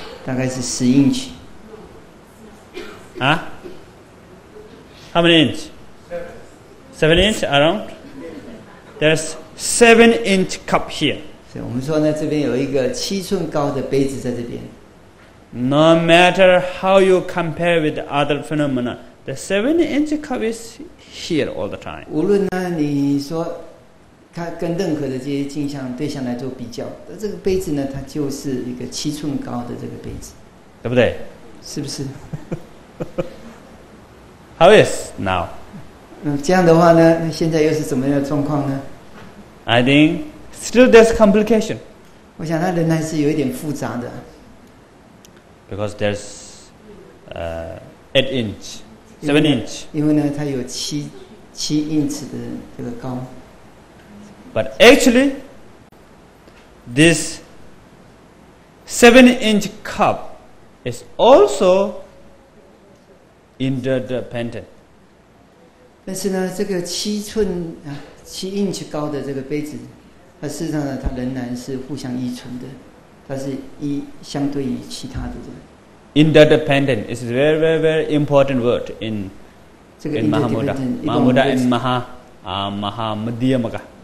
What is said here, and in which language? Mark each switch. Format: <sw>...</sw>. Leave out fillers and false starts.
<zh>大概是十 inch.</zh> <en>啊 ？How many inch？ 7 inch around. There's 7 inch cup here.</en> <zh>所以我们说呢，这边有一个七寸高的杯子在这边。</zh> <en>No matter how you compare with the other phenomena, the 7 inch cup is here all the time.</en> <zh>无论呢，你说它跟任何的这些镜像对象来做比较，这个杯子呢，它就是一个七寸高的这个杯子，对不对？是不是？</zh> <en>How is now?</en> <zh>这样的话呢，现在又是怎么样的状况呢？</zh> <en>I think still there's complication.</en> <zh>我想它仍然是有一点复杂的。</zh> <en>Because there's seven inch.</en> <zh>因为呢，它有七英尺的这个高。</zh> <en>But actually, this 7-inch cup is also interdependent.</en> <zh>但是呢，这个七英尺高的这个杯子，它事实上呢，它仍然是互相依存的，它是一相对于其他的这个。</zh> <en>Interdependent is a very, very, very important word in Mahamudra and Mahamudyamaka.</en>